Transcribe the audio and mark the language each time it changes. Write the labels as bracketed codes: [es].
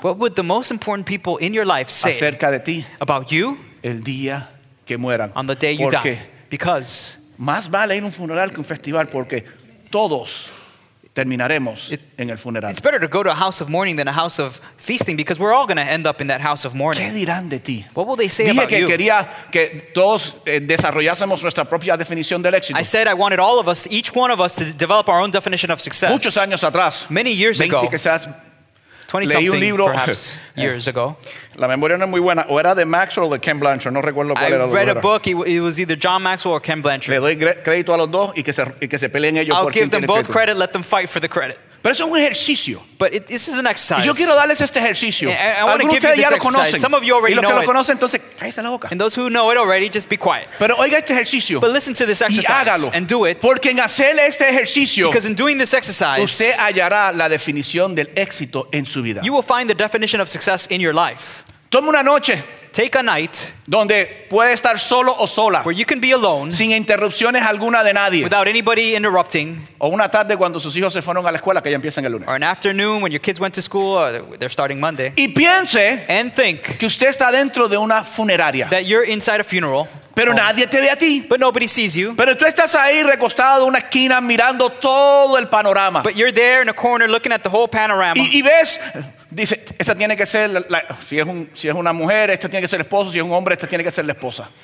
[en] What would the most important people in your life say [es] acerca de ti [en] about you? [es] El día que mueran. [en] On the day you [es] porque [en] die. Because [es] más vale ir a un funeral que un festival porque todos terminaremos en el funeral. [en] It's better to go to a house of mourning than a house of feasting because we're all going to end up in that house of mourning. [es] ¿Qué dirán de ti? [en] What will they say [es] dije [en] about [es] que [en] you? [es] Quería que todos desarrollásemos nuestra propia definición del éxito. [en] I said I wanted all of us, each one of us, to develop our own definition of success. [es] Muchos años atrás, [en] many years 20 ago, [es] quizás, 20 leí un libro, [en] perhaps, years ago. [es] La memoria no es muy buena. O era de Maxwell o de Ken Blanchard. No recuerdo cuál [en] I [es] era. [en] I read a book. It was either John Maxwell or Ken Blanchard. [es] Le doy crédito a los dos y que se peleen ellos [en] I'll [es] por [en] give them both credit. Let them fight for the credit. [es] Pero es un ejercicio. [en] But this is an exercise. [es] Y yo quiero darles este ejercicio. [en] I want to give you this exercise. Some of you already [es] y los [en] know [es] que lo [en] it. [es] Conocen, entonces, cállese la boca. [en] And those who know it already, just be quiet. [es] Pero oiga este ejercicio. [en] But listen to this exercise. [es] Y hágalo. [en] And do it. [es] Porque en hacer este ejercicio, [en] because in doing this exercise, [es] usted hallará la definición del éxito en su vida. [en] You will find the definition of success in your life. [es] Toma una noche. [en] Take a night. [es] Donde puede estar solo o sola. [en] Where you can be alone. [es] Sin interrupciones alguna de nadie. [en] Without anybody interrupting. [es] O una tarde cuando sus hijos se fueron a la escuela que ya empiezan el lunes. [en] Or an afternoon when your kids went to school or they're starting Monday. [es] Y piense. [en] And think. [es] Que usted está dentro de una funeraria. [en] That you're inside a funeral. [es] Pero home. Nadie te ve a ti. [en] But nobody sees you. [es] Pero tú estás ahí recostado en una esquina mirando todo el panorama. [en] But you're there in a corner looking at the whole panorama. [es] Y ves. Dice, esa tiene que ser la, si es un si es una mujer, esta tiene que ser el esposo, si es un hombre, esta tiene que ser la esposa.